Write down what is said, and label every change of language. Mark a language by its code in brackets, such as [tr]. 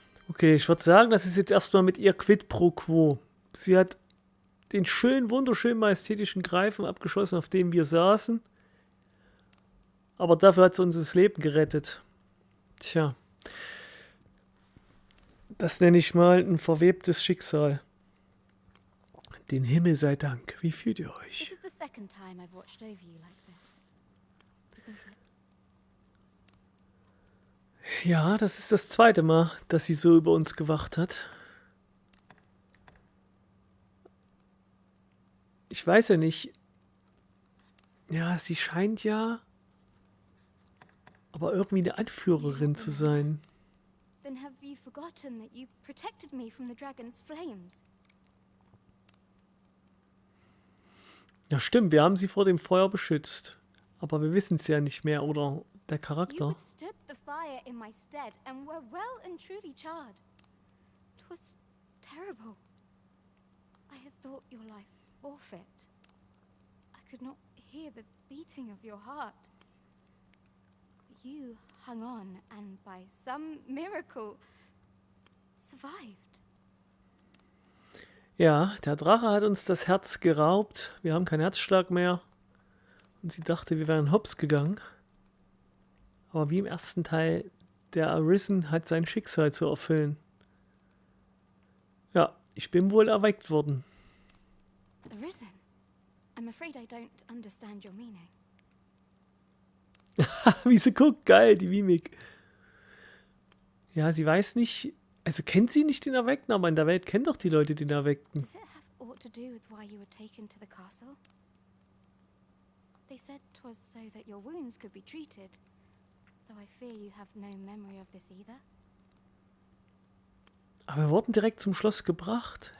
[de] Okay, ich würde sagen, das ist jetzt erstmal mit ihr Quid pro Quo. Sie hat den schönen, wunderschönen, majestätischen Greifen abgeschossen, auf dem wir saßen. Aber dafür hat sie uns das Leben gerettet. Tja. Das nenne ich mal ein verwebtes Schicksal. Den Himmel sei Dank. Wie fühlt ihr euch? [en] This is the second time I've watched over you like this, isn't it? [de] Ja, das ist das zweite Mal, dass sie so über uns gewacht hat. Ich weiß ja nicht. Ja, sie scheint ja aber irgendwie eine Anführerin zu sein. [en] Then have you forgotten that you protected me from the dragon's flames? [de] Ja, stimmt, wir haben sie vor dem Feuer beschützt, aber wir wissen es ja nicht mehr oder der Charakter. [en] You withstood the fire in my stead and were well and truly charred. It was terrible. I had thought your life forfeit. I could not hear the beating of your heart. You hung on and by some miracle survived. [de] Ja, der Drache hat uns das Herz geraubt. Wir haben keinen Herzschlag mehr. Und sie dachte, wir wären hops gegangen. Aber wie im ersten Teil, der Arisen hat sein Schicksal zu erfüllen. Ja, ich bin wohl erweckt worden. [en] Arisen? I'm afraid I don't understand your meaning. [de] Wie sie guckt, geil, die Mimik. Ja, sie weiß nicht, Also kennt sie nicht den Erweckten, aber in der Welt kennt doch die Leute den Erweckten. [en] Does it have aught to do with why you were taken to the castle? They said 'twas so that your wounds could be treated, though I fear you have no memory of this either. [de] Aber wir wurden direkt zum Schloss gebracht.